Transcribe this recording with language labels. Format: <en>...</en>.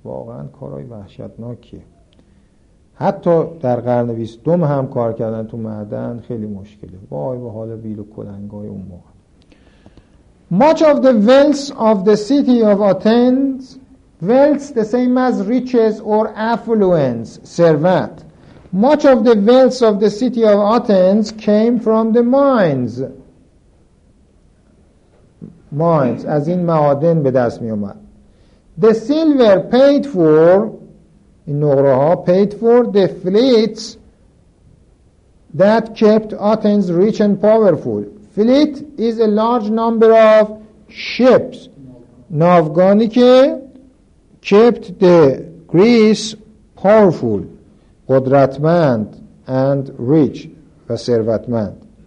<fa>واقعا کارهای وحشتناکیه. حتی در قرن 22 هم کار کردن تو معدن خیلی مشکله. وای به حال بیل و کلنگای اون موقع.</fa> <en>Much of the wealth of the city of Athens, wealth the same as riches or affluence, servant. Much of the wealth of the city of Athens came from the mines.</en> <fa>Mines, از این معادن به دست می اومد.</fa> <en>The silver paid for,</en> <fa>این نقره ها,</fa> <en>paid for the fleets that kept Athens rich and powerful. Fleet is a large number of ships.</en> <fa>ناوگانی که</fa> <en>kept the Greece powerful,</en> <fa>قدرتمند</fa> <en>and rich,</en> <fa>و ثروتمند.</fa>